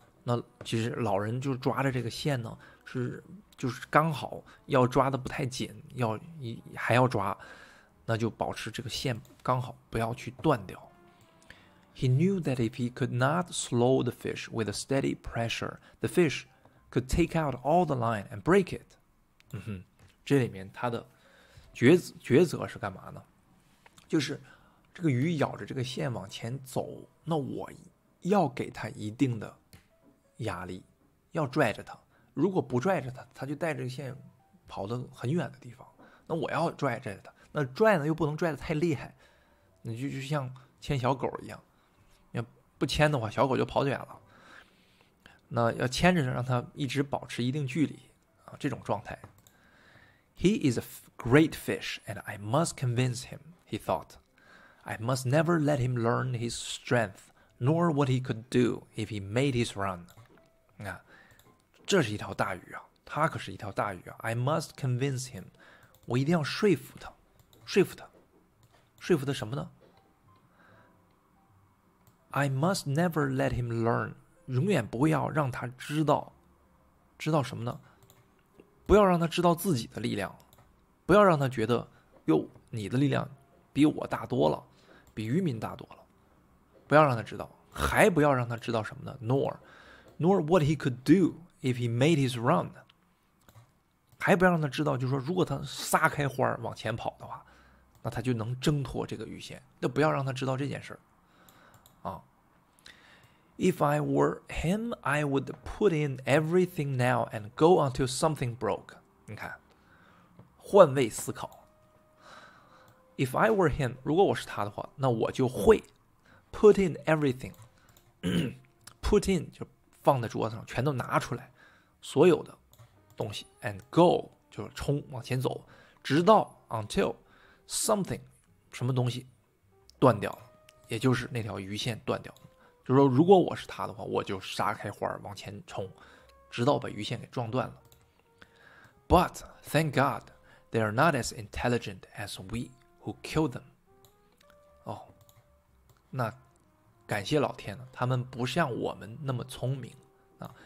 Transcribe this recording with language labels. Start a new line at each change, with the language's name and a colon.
Chinese: 那其实老人就抓着这个线呢，是就是刚好要抓的不太紧，要还要抓，那就保持这个线刚好不要去断掉。
English: He knew that if he could not slow the fish with a steady pressure, the fish could take out all the line and break it。
Chinese: 嗯哼，这里面他的。抉择是干嘛呢？就是这个鱼咬着这个线往前走，那我要给它一定的压力，要拽着它。如果不拽着它，它就带着线跑得很远的地方。那我要拽着它，那拽呢又不能拽得太厉害，那就像牵小狗一样，要不牵的话，小狗就跑远了。那要牵着让它一直保持一定距离啊，这种状态。
English: He is a great fish, and I must convince him, he thought. I must never let him learn his strength, nor what he could do if he made his run.
Chinese: 啊，这是一条大鱼啊，它可是一条大鱼啊。
English: I must convince him,
Chinese: 我一定要说服他，说服他，说服他什么呢
English: ？I must never let him learn,
Chinese: 永远不要让他知道，知道什么呢？不要让他知道自己的力量，不要让他觉得哟，你的力量比我大多了，比渔民大多了。不要让他知道，还不要让他知道什么呢 ？Nor
English: what he could do if he made his run。
Chinese: 还不要让他知道，就是说，如果他撒开花往前跑的话，那他就能挣脱这个鱼线。那不要让他知道这件事啊。
English: If I were him, I would put in everything now and go until something broke.
Chinese: 你看，换位思考。
English: If I were him,
Chinese: 如果我是他的话，那我就会
English: put in everything.
Chinese: Put in 就放在桌子上，全都拿出来，所有的东西。 And go 就是冲，往前走，直到
English: until something
Chinese: 什么东西断掉了，也就是那条鱼线断掉了。就说如果我是他的话，我就撒开花往前冲，直到把鱼线给撞断了。
English: But thank God, they are not as intelligent as we. Who killed them?
Chinese: 哦，那感谢老天了，他们不像我们那么聪明啊。